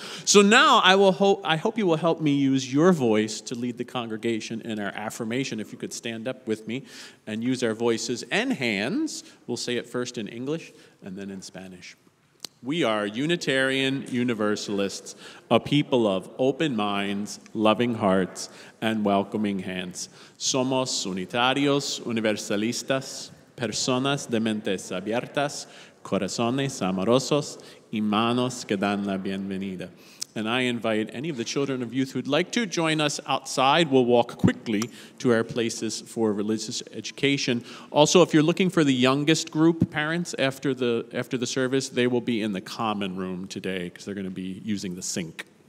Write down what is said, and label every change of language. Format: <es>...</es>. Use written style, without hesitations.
<en>So now I hope you will help me use your voice to lead the congregation in our affirmation. If you could stand up with me and use our voices and hands, we'll say it first in English and then in Spanish. We are Unitarian Universalists, a people of open minds, loving hearts, and welcoming hands.</en> <es>Somos Unitarios Universalistas, personas de mentes abiertas, corazones amorosos, y manos que dan la bienvenida.</es> <en>And I invite any of the children of youth who'd like to join us outside. We'll walk quickly to our places for religious education. Also, if you're looking for the youngest group parents after the service, they will be in the common room today because they're going to be using the sink.</en>